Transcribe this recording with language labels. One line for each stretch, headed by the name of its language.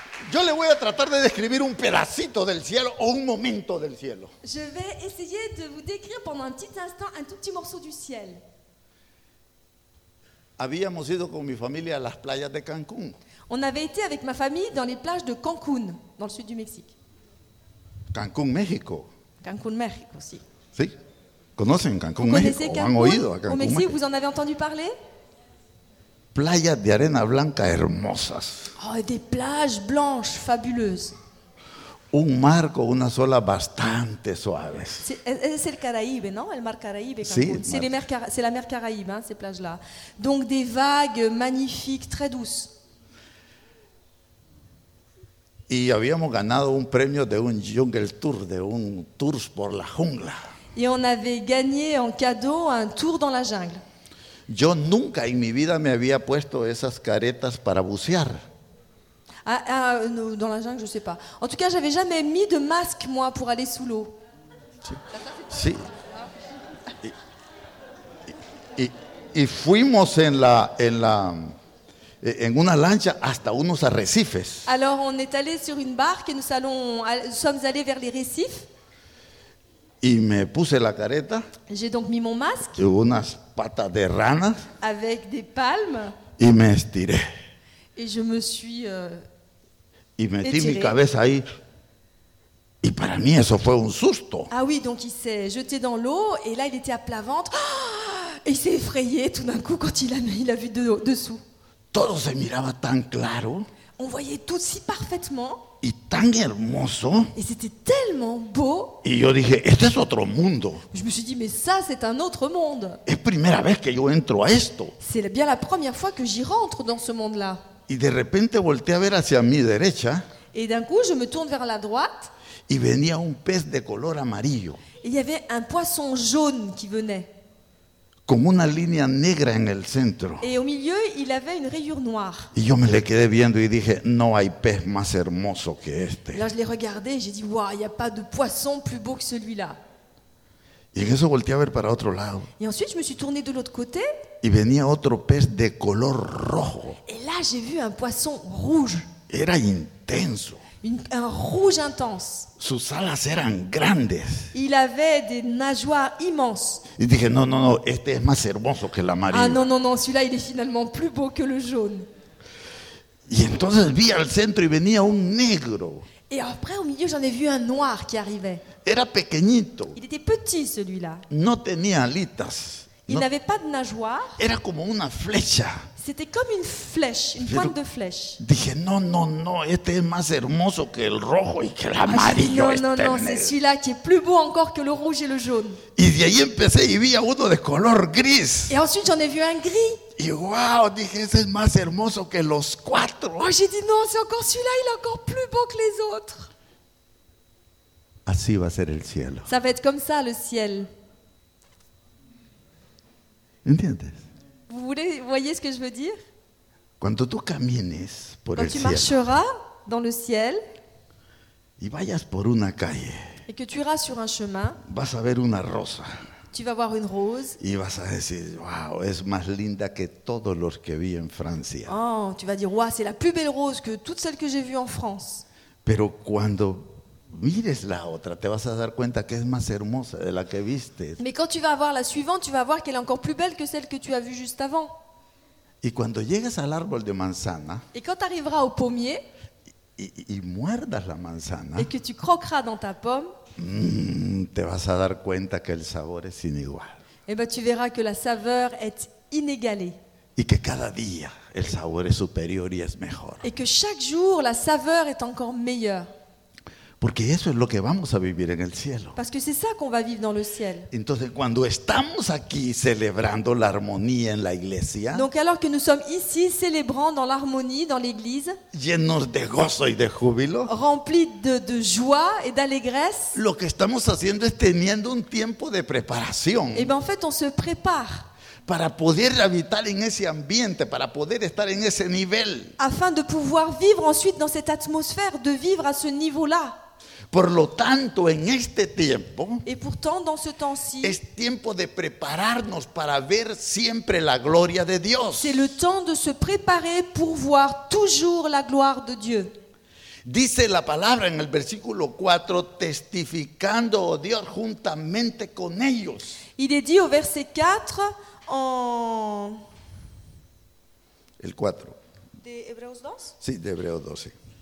Spanish: Yo le voy a tratar de describir un pedacito del cielo o un momento del cielo.
French: Je vais essayer de vous décrire pendant un petit instant un tout petit morceau du ciel.
Spanish: Habíamos ido con mi familia a las playas de Cancún.
French: On avait été avec ma famille dans les plages de Cancún, dans le sud du Mexique.
Spanish: Cancún, México. Cancún, México, sí. Sí. ¿Conocen Cancún, México? ¿O han oído a Cancún, México?
French: ¿Vous en avez entendu parler?
Spanish: Playas de arena blanca hermosas.
French: Oh, des plages blanches fabuleuses.
Spanish: Un mar con unas olas bastante suaves.
French: C'est le Caraïbe, non?
Spanish: El mar Caraïbe, Cancún. Sí,
French: c'est la mer Caraïbe, hein, ces plages-là. Donc des vagues magnifiques, très douces.
Spanish: Y habíamos ganado un premio de un jungle tour, de un tour por la jungla.
French: Et on avait gagné en cadeau un tour dans la jungle.
Spanish: Yo nunca en mi vida me había puesto esas caretas para bucear.
French: Dans la jungle, je sais pas. En tout cas, j'avais jamais mis de masque moi pour aller sous l'eau.
Spanish: Sí. Y fuimos en una lancha hasta unos arrecifes.
French: Alors, on est allé sur une barque et nous sommes allés vers les récifs.
Spanish: Y me puse la careta.
French: J'ai donc mis mon masque.
Spanish: Y unas patas de rana.
French: Avec des palmes.
Spanish: Y me estiré.
French: Et je me suis
Spanish: Y metí
French: étiré.
Spanish: Mi cabeza ahí. Y para mí eso fue un susto.
French: Ah oui, donc il s'est jeté dans l'eau et là il était à plat ventre. Oh, et il s'est effrayé tout d'un coup quand il a vu dessous.
Spanish: Todo se miraba tan claro.
French: On voyait tout si parfaitement.
Spanish: Y tan hermoso.
French: Et c'était tellement beau.
Spanish: Y yo dije, este es otro mundo.
French: Je me suis dit, mais ça, c'est un autre monde.
Spanish: Es primera vez que yo entro a esto.
French: C'est bien la première fois que j'y rentre dans ce monde-là.
Spanish: Y de repente volteé a ver hacia mi derecha.
French: Et d'un coup, je me tourne vers la droite.
Spanish: Y venía un pez de color amarillo.
French: Et il y avait un poisson jaune qui venait.
Spanish: Como una línea negra en el centro.
French: Et au milieu, il avait une rayure noire.
Spanish: Y yo me le quedé viendo y dije, no hay pez más hermoso que este.
French: Là, je l'ai regardé et j'ai dit, waouh, il n'y a pas de poisson plus beau que celui-là.
Spanish: Y en eso volteé a ver para otro lado.
French: Et ensuite, je me suis tourné de l'autre côté.
Spanish: Y venía otro pez de color rojo.
French: Et là, j'ai vu un poisson rouge.
Spanish: Era intenso.
French: Un rouge intense.
Spanish: Sus alas eran grandes.
French: Il avait des nageoires immenses.
Spanish: Y dije, no, este es más hermoso que el amarillo.
French: Ah non, celui-là il est finalement plus beau que le jaune.
Spanish: Y entonces vi al centro y venía un negro.
French: Et après au milieu j'en ai vu un noir qui arrivait.
Spanish: Era pequeñito.
French: Il était petit celui-là.
Spanish: No tenía alitas.
French: Il n'avait pas de nageoires.
Spanish: Era como una flecha.
French: C'était comme une flèche, une pointe de flèche.
Spanish: Dije, no, este es más hermoso que el rojo y que el amarillo.
French: Non, c'est celui-là qui est plus beau encore que le rouge et le jaune.
Spanish: Y de ahí empecé y vi a uno de color gris.
French: Et ensuite, j'en ai vu un gris.
Spanish: Y wow, dije, ese es más hermoso que los cuatro.
French: Oh, j'ai dit, non, c'est encore celui-là, il est encore plus beau que les autres.
Spanish: Así va a ser el cielo.
French: Ça va être comme ça, le ciel.
Spanish: ¿Entiendes?
French: Vous voyez ce que je veux dire?
Spanish: Cuando tú camines por
French: Quand
Spanish: el
French: tu
Spanish: cielo,
French: marcheras dans le ciel
Spanish: y vayas por una calle,
French: et que tu iras sur un chemin,
Spanish: vas a ver una rosa,
French: tu vas voir une rose
Spanish: y vas a decir, wow, es más linda que todos los que vi en Francia.
French: Oh, tu vas dire, wow, c'est la plus belle rose que toutes celles que j'ai vues en France.
Spanish: Pero cuando mires la otra, te vas a dar cuenta que es más hermosa de la que viste.
French: Mais quand tu vas voir la suivante, tu vas voir qu'elle est encore plus belle que celle que tu as vue juste avant.
Spanish: Y cuando llegues al árbol de manzana,
French: et quand tu arriveras au pommier,
Spanish: y muerdas la manzana,
French: et que tu croqueras dans ta pomme,
Spanish: te vas a dar cuenta que el sabor es inigual.
French: Et ben tu verras que la saveur est inégalée.
Spanish: Y que cada día el sabor es superior y es mejor.
French: Et que chaque jour la saveur est encore meilleure.
Spanish: Porque eso es lo que vamos a vivir en el cielo.
French: Parce que c'est ça qu'on va vivre dans le ciel.
Spanish: Entonces cuando estamos aquí celebrando la armonía en la iglesia.
French: Donc alors que nous sommes ici célébrant dans l'harmonie dans l'église.
Spanish: Llenos de gozo y de júbilo.
French: Remplis de joie et d'allégresse.
Spanish: Lo que estamos haciendo es teniendo un tiempo de preparación.
French: Et ben en fait on se prépare.
Spanish: Para poder habitar en ese ambiente, para poder estar en ese nivel.
French: Afin de pouvoir vivre ensuite dans cette atmosphère, de vivre à ce niveau-là.
Spanish: Por lo tanto, en este tiempo.
French: Et pourtant, dans ce temps-ci.
Spanish: Es tiempo de prepararnos para ver siempre la gloria de Dios.
French: C'est le temps de se préparer pour voir toujours la gloire de Dieu.
Spanish: Dice la palabra en el versículo 4, testificando Dios juntamente con ellos.
French: Il est dit au verset 4
Spanish: El 4. De Hebreos 2? Sí, de Hebreos 12.